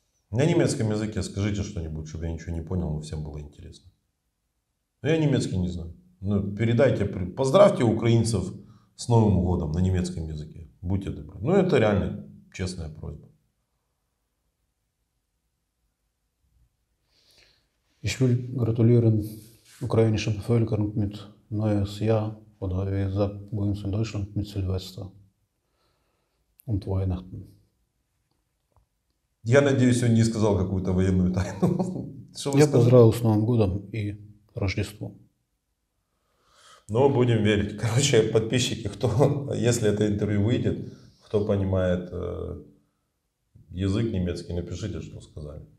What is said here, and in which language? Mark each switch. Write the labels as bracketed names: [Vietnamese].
[Russian] На немецком языке скажите что-нибудь, чтобы я ничего не понял, но всем было интересно. Но я немецкий не знаю. Но передайте, поздравьте украинцев с Новым годом на немецком языке. Будьте добры. Ну, это реально честная просьба. [German] Ich will gratulieren ukrainischen Bevölkerung mit neues Jahr oder wie gesagt bei uns in Deutschland mit Silvester und Weihnachten. [Russian] Я надеюсь, он не сказал какую-то военную тайну. Что вы сказали? Поздравил с Новым годом и Рождеством. Ну, будем верить. Короче, подписчики, кто, если это интервью выйдет, кто понимает язык немецкий, напишите, что сказали.